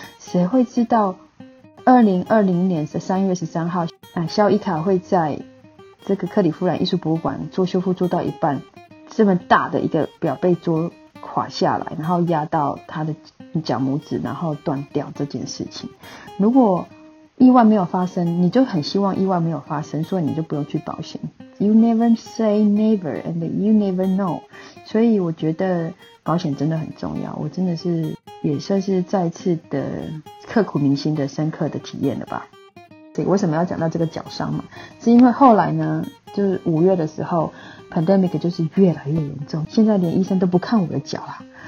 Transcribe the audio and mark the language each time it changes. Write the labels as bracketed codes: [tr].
[zh] 谁会知道2020年的3月13号，肖伊卡会在这个克里夫兰艺术博物馆做修复做到一半？这么大的一个表背桌垮下来，然后压到他的脚拇指，然后断掉这件事情，如果意外没有发生，你就很希望意外没有发生，所以你就不用去保险。 [en] You never say never, and you never know。 [zh] 所以我觉得保险真的很重要，我真的是也算是再次的刻骨铭心的深刻的体验了吧。对，为什么要讲到这个脚伤嘛？是因为后来呢，就是五月的时候 ，pandemic 就是越来越严重，现在连医生都不看我的脚啦。